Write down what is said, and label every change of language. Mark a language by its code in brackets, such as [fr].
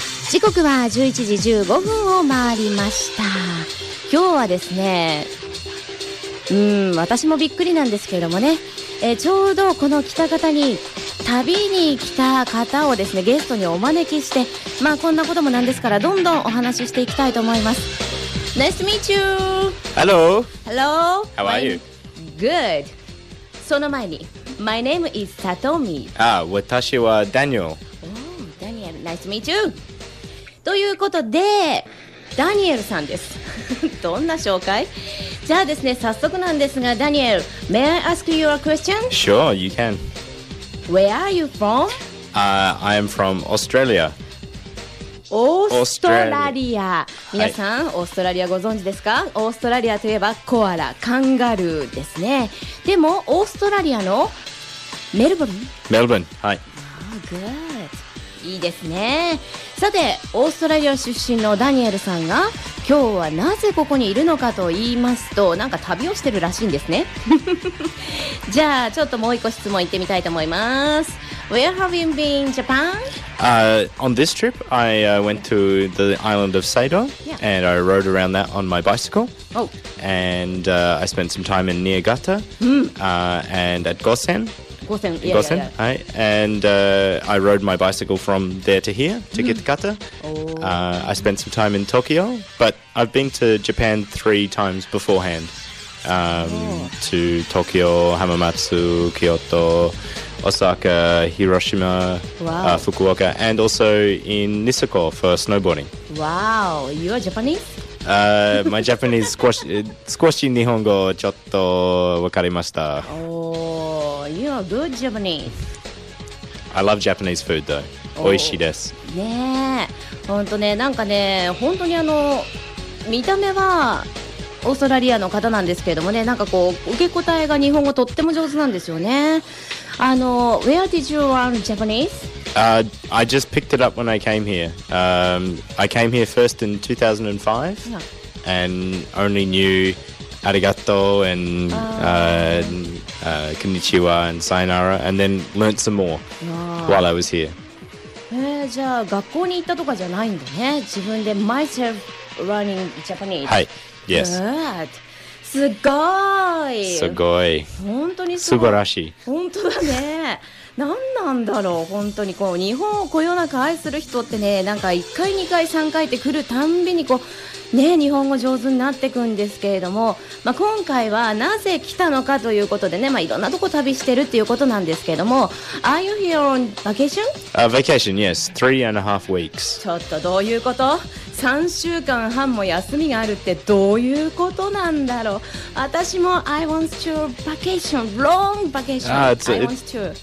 [ja] 時刻は11時15分を回りました。今日はですね、私もびっくりなんですけれどもね、ちょうどこの喜多方に旅に来た方をですねゲストにお招きして、まあこんなこともなんですからどんどんお話ししていきたいと思います。 [en] Nice to meet you. Hello. Hello. How are you? Good. [ja] その前に [en] My name is Satomi. [ja] Ah, 私は Daniel. [en] Daniel. Nice to meet you. [ja] ということでダニエルさんですどんな紹介？じゃあですね早速なんですがダニエル、 [en] May I ask you a question? Sure, you can. Where are you from? I am from Australia. [ja] オーストラリア。皆さん、はい、オーストラリアご存知ですか？オーストラリアといえばコアラ、カンガルーですね。でもオーストラリアのメルボルン？メルボルン、はい。 [en] Oh, good. [ja] いいですね。さてオーストラリア出身のダニエルさんが今日はなぜここにいるのかと言いますと、なんか旅をしてるらしいんですねじゃあちょっともう一個質問行ってみたいと思います。 [en] Where have you been, Japan? On this trip, I went to the island of Seido、yeah. and I rode around that on my bicycle、 oh. and、I spent some time in Niigata、and at Gosen Gosen, yeah, yeah, yeah. And、I rode my bicycle from there to here, to Kitakata.、I spent some time in Tokyo, but I've been to Japan 3 times beforehand.、to Tokyo, Hamamatsu, Kyoto, Osaka, Hiroshima,、Fukuoka, and also in Niseko for snowboarding. Wow, you are Japanese? my Japanese [ja] 少し日本語ちょっとわかりました。 [en] You are good Japanese. I love Japanese food though. [ja] 美味しいです。ねえ、本当ね、なんかね、本当にあの見た目はオーストラリアの方なんですけれどもね、なんかこう受け答えが日本語とっても上手なんですよね。 [en] あの、Where did you learn Japanese? I just picked it up when I came here.、I came here first in 2005、yeah. and only knew arigato and、konnichiwa and sayonara and then learnt some more、while I was here. [ja] じゃあ学校に行ったとかじゃないんだね。自分で [en] myself learning Japanese. [ja] はい。Yes. [en] Good. [ja] すごい。すごい。本当にすごい。素晴らしい。本当だね。何なんだろう本当にこう日本をこよなく愛する人ってね、なんか1回2回3回って来るたんびにこうね日本語上手になってくんですけれども、まあ、今回はなぜ来たのかということでね、まあ、いろんなとこ旅してるっていうことなんですけれども、 [en] Are you here on vacation? Vacation, yes. 3.5 weeks. [ja] ちょっとどういうこと？3週間半も休みがあるってどういうことなんだろう。私も [en] I want to vacation, long vacation.